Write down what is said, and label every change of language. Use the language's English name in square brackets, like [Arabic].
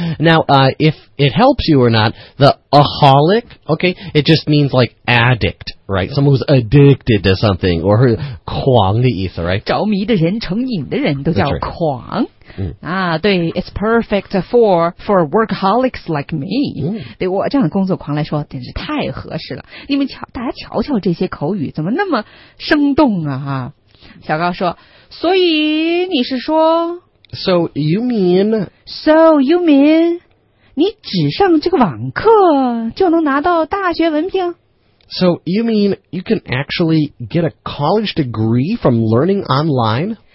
[English] Now, if it helps you or not, the aholic, okay, it just means like addict, right? Someone who's addicted to something, or [Chinese] 狂的意思, [English] right? [Chinese] 着迷的人,成瘾的人都叫狂。 [English] That's right. 嗯、啊，对 ，it's perfect for workaholics like me、 [Chinese] 嗯。对我这样的工作狂来说，简直太合适了。你们瞧，大家瞧瞧这些口语怎么那么生动啊！哈，小高说，所以你是说 [English] ，So you mean， [Chinese] 你只上这个网课就能拿到大学文凭 [English] ？So you mean you can actually get a college degree from learning online？